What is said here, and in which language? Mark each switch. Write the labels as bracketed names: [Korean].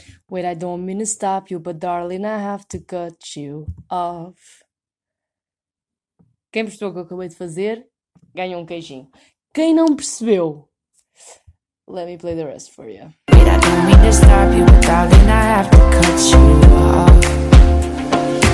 [English] Wait, I don't mean to stop you, but darling, I have to cut you off. [Portuguese] Quem percebeu o que eu acabei de fazer, ganhou um queijinho. Quem não percebeu, [English] let me play the rest for you. Wait, I don't mean to stop you, but darling, I have to cut you off.